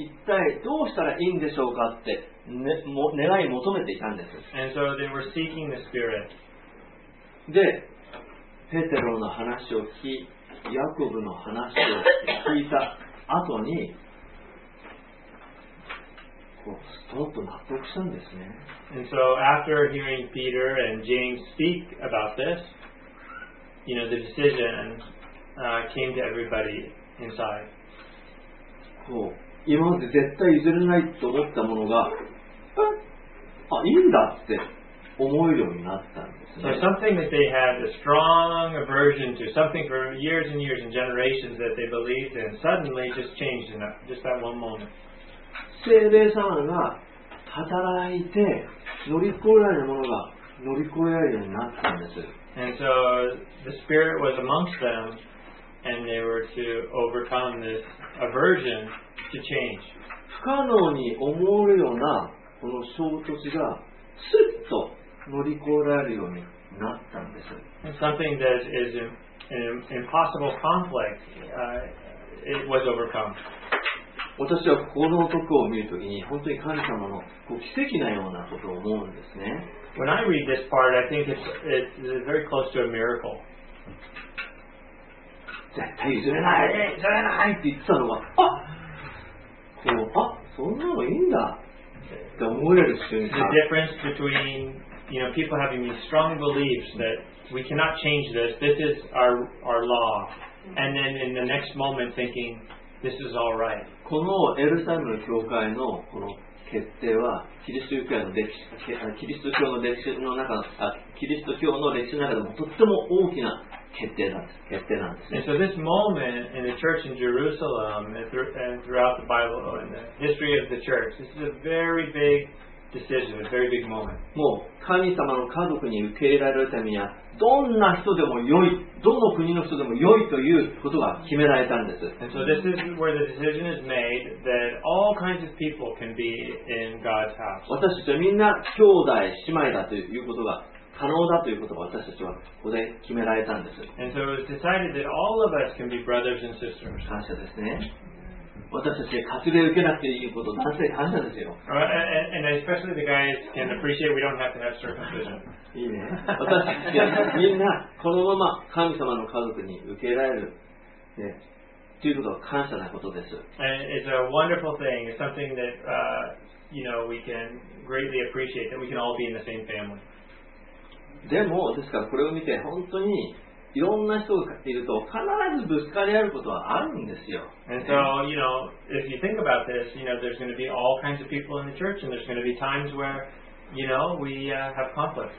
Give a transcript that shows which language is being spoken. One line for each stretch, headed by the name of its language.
Japanese: 一体どうしたらいいんでしょうかって。ね、願い求めていたんです。
English: And so they were seeking the Spirit.
Japanese: で、ペテロの話を聞き、ヤコブの話を聞いた後に、こうストンと納得したんですね。
English: And so after hearing Peter and James speak about this, you know, the decision came to everybody inside.
Japanese: こう、今まで絶対譲れないと思ったものが、あ、いいんだって思うようになったんですね。
English: So something that they had a strong aversion to, something for years and years and generations that they believed in, suddenly just changed in just that one moment.
Japanese: 聖霊様が働いて乗り越えられるものが乗り越えられるようになったんです。
English: And so the Spirit was amongst them, and they were to overcome this aversion to change.
Japanese: 不可能に思うようなこの衝突がスッと乗り越えられるようになったんです。
English: Something that is an impossible conflict, it was overcome.
Japanese: 私はこの男を見るときに本当に神様のこう奇跡なようなことを思うんですね。
English: When I read this part, I think it's very close to a miracle.
Japanese: 絶対譲れない、譲れないって言ってたのが、あ、こう、あ、そんなのいいんだ。
English: The difference between you know, people having these strong beliefs that we cannot change this. This is our law. And then in the next moment thinking, this is all right.
Japanese: このエルサレムの教会のこの決定はキリスト教の歴史、キリスト教の歴史の中、キリスト教の歴史の中でもとっても大きな決定なんです。決定なんです。
English: And so this moment in the church in Jerusalem and throughout the Bible or in the history of the church, this is a very big decision, a very big moment.
Japanese: もう神様の家族に受け入れられるためにはどんな人でも良い、どの国の人でも良いということが決められたんです。
English: And so this is where the decision is made that all kinds of people can be in God's house.
Japanese: 私たちはみんな兄弟姉妹だということが可能だということが私たちはここで決められたんです。
English: And so it was decided that all of us can be brothers and sisters.
Japanese: 感謝ですね。私たちが活動を受けなくていいこと、なぜ感謝ですよ。
English: And especially the guys can appreciate we don't have to have circumcision.
Japanese: いいね。私たちがみんなこのまま神様の家族に受けられる、ね、ということは感謝なことです。
English: And it's a wonderful thing. It's something that, you know, we can greatly appreciate that we can all be in the same family.
Japanese: でも、ですからこれを見て本当にいろんな人がいると必ずぶつかり合うことはあるんですよ。
English: And so, you know, if you think about this, you know, there's going to be all kinds of people in the church, and there's going to be times where, you know, we have conflict.